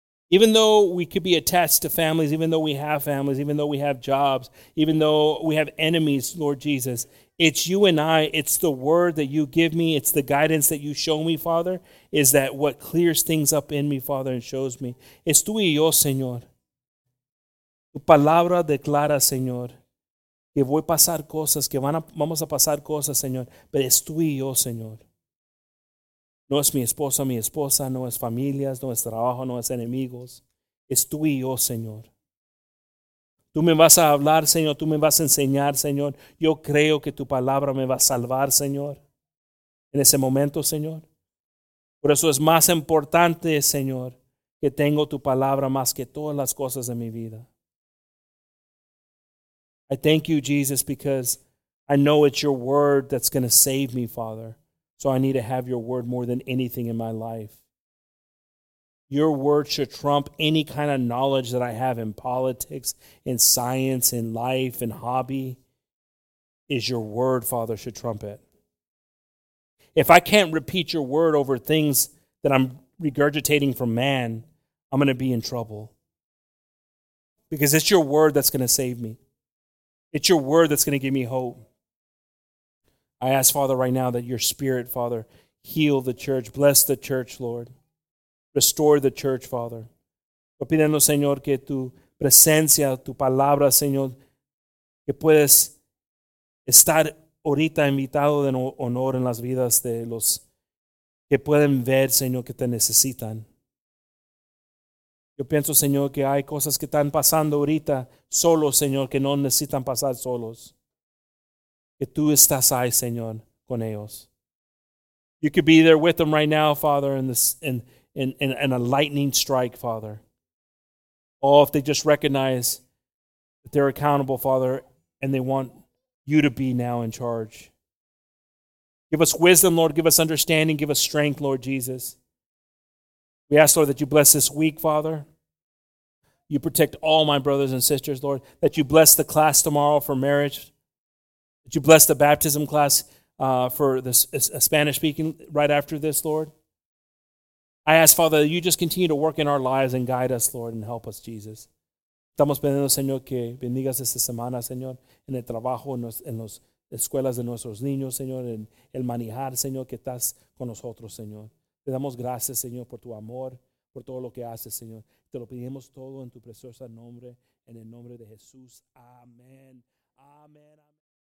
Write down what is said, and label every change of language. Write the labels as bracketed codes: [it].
[en] Even though we could be attached to families, even though we have families, even though we have jobs, even though we have enemies, Lord Jesus, it's you and I. It's the word that you give me. It's the guidance that you show me, Father, is that what clears things up in me, Father, and shows me. [es] Es tú y yo, Señor. Tu palabra declara, Señor, que voy a pasar cosas, que vamos a pasar cosas, Señor, pero es tú y yo, Señor. No es mi esposo, mi esposa, no es familias, no es trabajo, no es enemigos. Es tú y yo, Señor. Tú me vas a hablar, Señor. Tú me vas a enseñar, Señor. Yo creo que tu palabra me va a salvar, Señor. En ese momento, Señor. Por eso es más importante, Señor, que tengo tu palabra más que todas las cosas de mi vida. [en] I thank you, Jesus, because I know it's your word that's going to save me, Father. So I need to have your word more than anything in my life. Your word should trump any kind of knowledge that I have in politics, in science, in life, in hobby. Is your word, Father, should trump it. If I can't repeat your word over things that I'm regurgitating from man, I'm going to be in trouble. Because it's your word that's going to save me. It's your word that's going to give me hope. I ask, Father, right now that your spirit, Father, heal the church. Bless the church, Lord. Restore the church, Father. [es] Pidiendo, Señor, que tu presencia, tu palabra, Señor, que puedes estar ahorita invitado de honor en las vidas de los que pueden ver, Señor, que te necesitan. Yo pienso, Señor, que hay cosas que están pasando ahorita solos, Señor, que no necesitan pasar solos. Que tú estás ahí, Señor, con ellos. [en] You could be there with them right now, Father, in a lightning strike, Father. Oh, if they just recognize that they're accountable, Father, and they want you to be now in charge. Give us wisdom, Lord. Give us understanding. Give us strength, Lord Jesus. We ask, Lord, that you bless this week, Father. You protect all my brothers and sisters, Lord. That you bless the class tomorrow for marriage. That you bless the baptism class for this Spanish speaking right after this, Lord. I ask, Father, that you just continue to work in our lives and guide us, Lord, and help us, Jesus. [es] Estamos pidiendo, Señor, que bendigas esta semana, Señor, en el trabajo, en las escuelas de nuestros niños, Señor, en el manejar, Señor, que estás con nosotros, Señor. Te damos gracias, Señor, por tu amor, por todo lo que haces, Señor. Te lo pedimos todo en tu precioso nombre, en el nombre de Jesús. Amén. Amén.